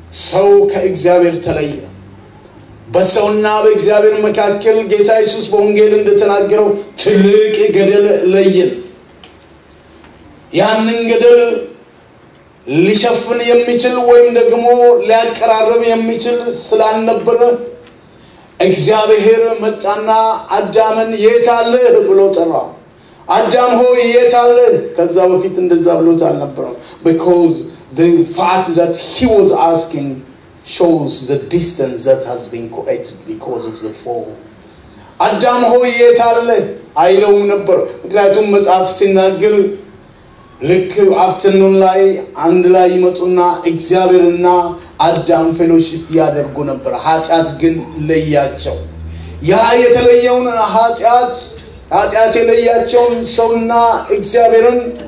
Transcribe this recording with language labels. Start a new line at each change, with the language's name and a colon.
Amharic: ሰው ከእግዚአብሔር ተለየ። በሰውና በእግዚአብሔር መካከል ጌታ ኢየሱስ በወንጌል እንደተናገረው ትልቅ ገደል ለየ። ያንን ገደል ሊሸፍን የሚችል ወይም ደግሞ ሊያቀራርብ የሚችል ስላልነበረ እግዚአብሔር መጣና አዳምን የታለ ብሎ ጠራ። አዳም ሆይ የታለ? ከዛ በፊት እንደዛ ብሎ ታልነበረው።
English: Because the fact that he was asking shows the distance that has been created because of the fall.
Amharic: አዳም ሆይ የታለ አይለው ነበር። ምክንያቱም መጽሐፍ ሲናገር ልክ አፍተርኑን ላይ አንድ ላይ ይመጡና እግዚአብሔርና አዳም ፌሎሺፕ ያደርጉ ነበር። ኃጢአት ግን ለያቸው። ያ የተለየውን ኃጢአት የለያቸውን ሰውና እግዚአብሔርን